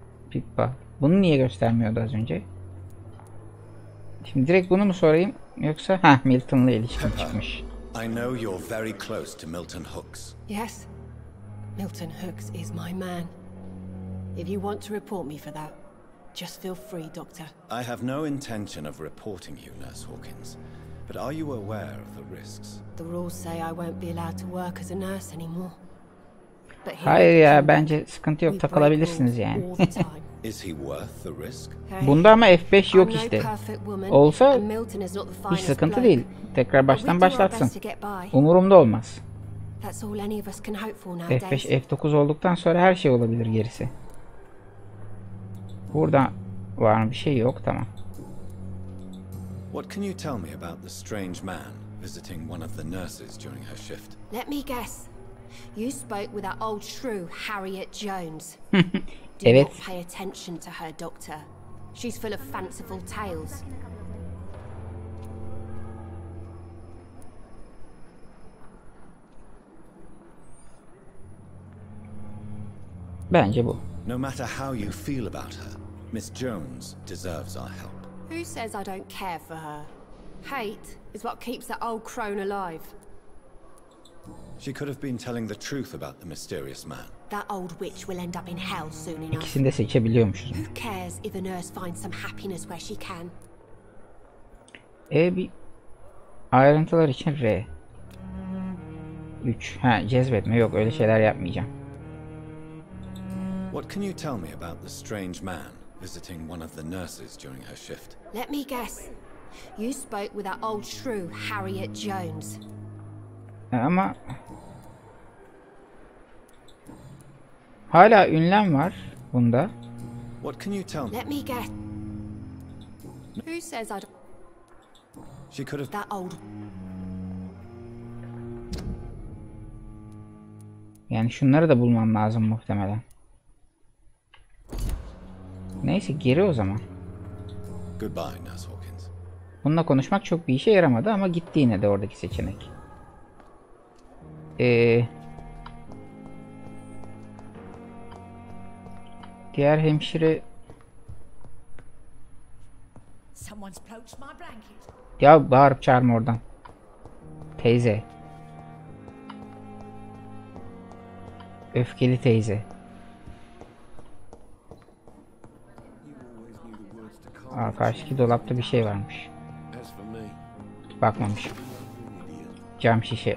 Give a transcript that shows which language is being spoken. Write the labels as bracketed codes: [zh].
[tr] Pippa, bunu niye göstermiyordu az önce? Şimdi direkt bunu mu sorayım yoksa Milton'la ilişkin çıkmış. [en] I know you're very close to Milton Hooks. Yes. Milton Hooks is my man. If you want to report me for that, just feel free, doctor. I have no intention of reporting you, Nurse Hawkins. But are you aware of the risks? The rules say I won't be allowed to work as a nurse anymore. [tr] But hayır ya, bence sıkıntı yok, takılabilirsiniz yani. [en] Is he worth the risk? [tr] Bunda ama F5 yok işte. Olsa hiç sıkıntı değil. Tekrar baştan başlatsın. Umurumda olmaz. F5, F9 olduktan sonra her şey olabilir gerisi. Burada var mı bir şey, yok, tamam. [en] What can you tell me about the strange man visiting one of the nurses during her shift? Let me guess. You spoke with that old shrew, Harriet Jones. [tr] Evet. [en] Do not pay attention to her, doctor. She's full of fanciful tales. [tr] Bence bu. [en] No matter how you feel about her, Miss Jones deserves our help. Who says I don't care for her? Hate is what keeps that old crone alive. She could have been telling the truth about the mysterious man. That old witch will end up in hell soon enough. [tr] İkisini de seçebiliyormuşuz. [en] Who cares if a nurse finds some happiness where she can? [tr] Bir ayrıntılar için R. 3. Ha, cezbetme, yok öyle şeyler yapmayacağım. [en] What can you tell me about the strange man visiting one of the nurses during her shift? Let me guess. You spoke with that old shrew, Harriet Jones. [tr] Ama hala ünlem var bunda. [en] What can you tell me? Let me guess. Who says I'd... She could have... That old... [tr] Yani şunları da bulmam lazım muhtemelen. Neyse, geri o zaman. [en] Goodbye, Nurse Hawkins. [tr] Bununla konuşmak çok bir işe yaramadı ama gitti yine de oradaki seçenek. Diğer hemşire... [en] Someone's poached my blanket. [tr] Ya bağırıp çağırma oradan. Teyze. Öfkeli teyze. Aa, karşıki dolapta bir şey varmış. Bakmamış. Cam şişe.